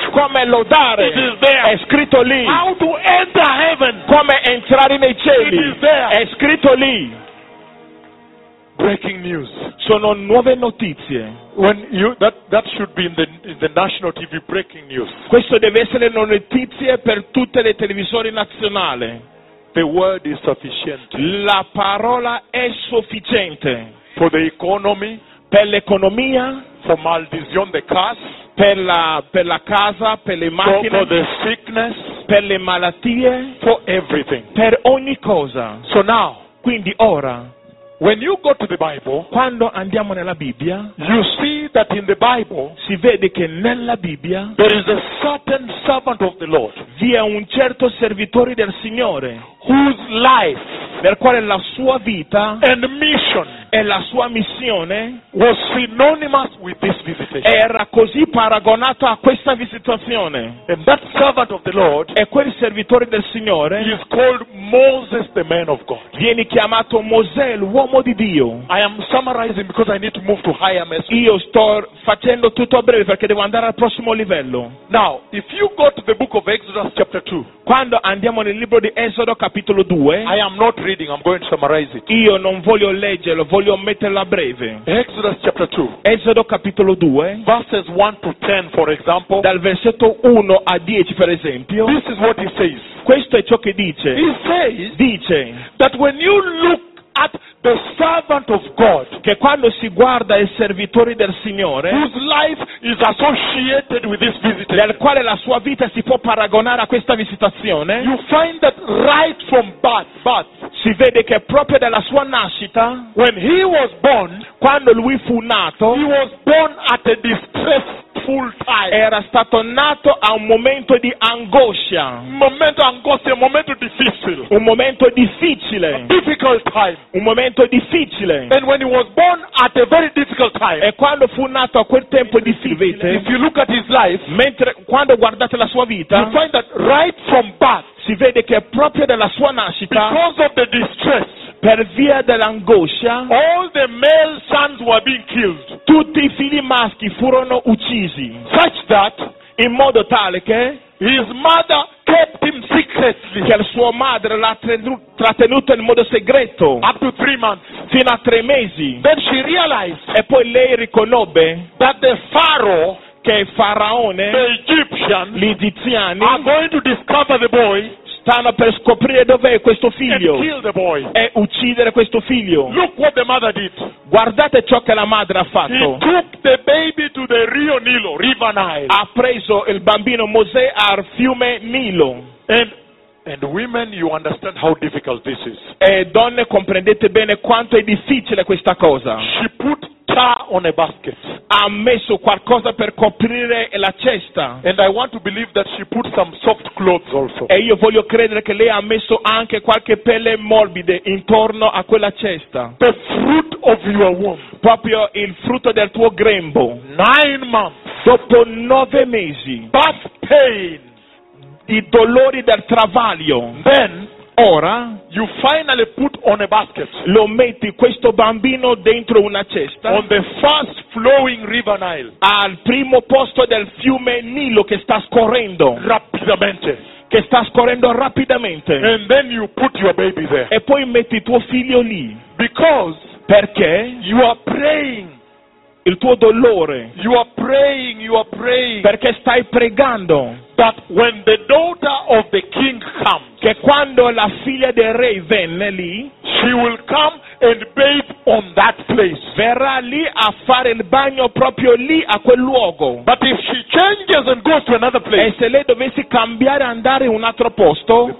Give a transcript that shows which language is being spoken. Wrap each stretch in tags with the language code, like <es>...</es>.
<it>come lodare,</it> <en>it is there.</en> <it>È scritto lì.</it> <en>How to enter heaven,</en> <it>come entrare nei cieli,</it> <en>it is there.</en> <it>È scritto lì.</it> <en>Breaking news.</en> <it>Sono nuove notizie.</it> <en>When you that should be in the national TV breaking news.</en> <it>Questo deve essere una notizia per tutte le televisioni nazionali.</it> <en>The word is sufficient.</en> <it>La parola è sufficiente.</it> <en>For the economy.</en> <it>Per l'economia.</it> <en>For maldizione the cars.</en> <it>Per la casa, per le macchine.</it> <en>For the sickness.</en> <it>Per le malattie.</it> <en>For everything.</en> <it>Per ogni cosa.</it> <en>So now.</en> <it>Quindi ora.</it> <en>When you go to the Bible,</en> <it>quando andiamo nella Bibbia,</it> <en>you see that in the Bible,</en> <it>si vede che nella Bibbia,</it> <en>there is a certain servant of the Lord,</en> <it>vi è un certo servitore del Signore,</it> <en>whose life,</en> <it>nel quale la sua vita,</it> <en>and mission,</en> <it>e la sua missione,</it> <en>was synonymous with this visitation,</en> <it>era così paragonato a questa visitazione,</it> <en>and that servant of the Lord,</en> <it>e quel servitore del Signore,</it> <en>is called Moses, the man of God,</en> <it>viene chiamato Mosè, uomo di Dio.</it> <en>I am summarizing because I need to move to higher message.</en> <it>Io sto facendo tutto a breve perché devo andare al prossimo livello.</it> <en>Now, if you go to the book of Exodus chapter 2.</en> <it>Quando andiamo nel libro di Esodo capitolo 2.</it> <en>I am not reading, I'm going to summarize it.</en> <it>Io non voglio leggerlo, voglio metterlo a breve.</it> <en>Exodus chapter 2.</en> <it>Esodo capitolo 2.</it> <en>Verses 1 to 10 for example.</en> <it>Dal versetto 1 a 10 per esempio.</it> <en>This is what he says.</en> <it>Questo è ciò che dice.</it> <en>He says,</en> <it>dice</it> <en>that when you look at the servant of God,</en> <it>che quando si guarda il servitore del Signore,</it> <en>whose life is associated with this visitation,</en> <it>nel quale la sua vita si può paragonare a questa visitazione,</it> <en>you find that right from birth,</en> <it>si vede che proprio dalla sua nascita,</it> <en>when he was born,</en> <it>quando lui fu nato,</it> <en>he was born at a distressful time.</en> <it>Era stato nato a un momento di angoscia. Momento angoscia, un momento difficile. Un momento difficile.</it> <en>A difficult time.</en> <it>Un momento difficile.</it> <en>And when he was born at a very difficult time.</en> <it>E quando fu nato a quel tempo difficile.</it> <en>If you look at his life,</en> <it>mentre quando guardate la sua vita,</it> <en>you find that right from birth.</en> <it>Si vede che proprio dalla sua nascita,</it> <en>because of the distress,</en> <it>per via dell'angoscia,</it> <en>all the male sons were being killed.</en> <it>Tutti i figli maschi furono uccisi.</it> <en>Such that,</en> <it>in modo tale che,</it> <en>his mother kept him secretly.</en> <it>Che la sua madre l'ha trattenuto in modo segreto.</it> <en>Up to 3 months.</en> <it>Fino a 3 mesi.</it> <en>Then she realized.</en> <it>E poi lei riconobbe</it> <en>that the Pharaoh,</en> <it>che il faraone,</it> <en>the Egyptian,</en> <it>gli egiziani,</it> <en>are going to discover the boy,</en> <it>stanno per scoprire dov'è questo figlio,</it> <en>and kill the boy,</en> <it>e uccidere questo figlio.</it> <en>Look what the mother did.</en> <it>Guardate ciò che la madre ha fatto.</it> <en>He took the baby to the Rio Nilo, River Nile.</en> <it>Ha preso il bambino Mosè al fiume Nilo.</it> <en>And women, you understand how difficult this is.</en> <it>E donne, comprendete bene quanto è difficile questa cosa.</it> <en>She put tar on a basket.</en> <it>Ha messo qualcosa per coprire la cesta.</it> <en>And I want to believe that she put some soft clothes also.</en> <it>E io voglio credere che lei ha messo anche qualche pelle morbide intorno a quella cesta.</it> <en>The fruit of your womb.</en> <it>Proprio il frutto del tuo grembo.</it> <en>9 months.</en> <it>Dopo 9 mesi.</it> <en>Birth pain.</en> <it>I dolori del travaglio.</it> <en>Then,</en> <it>ora,</it> <en>you finally put on a basket.</en> <it>Lo metti questo bambino dentro una cesta.</it> <en>On the fast flowing River Nile.</en> <it>Al primo posto del fiume Nilo che sta scorrendo. Rapidamente. Che sta scorrendo rapidamente.</it> <en>And then you put your baby there.</en> <it>E poi metti tuo figlio lì.</it> <en>Because,</en> <it>perché,</it> <en>you are praying.</en> <it>Il tuo dolore.</it> <en>You are praying, you are praying.</en> <it>Perché stai pregando.</it> <en>That when the daughter of the king comes,</en> <it>che quando la figlia del re venne lì,</it> <en>she will come and bathe on that place.</en> <it>Verrà lì a fare il bagno proprio lì a quel luogo.</it> <en>But if she changes and goes to another place,</en> <it>e se lei dovesse cambiare e andare in un altro posto,</it>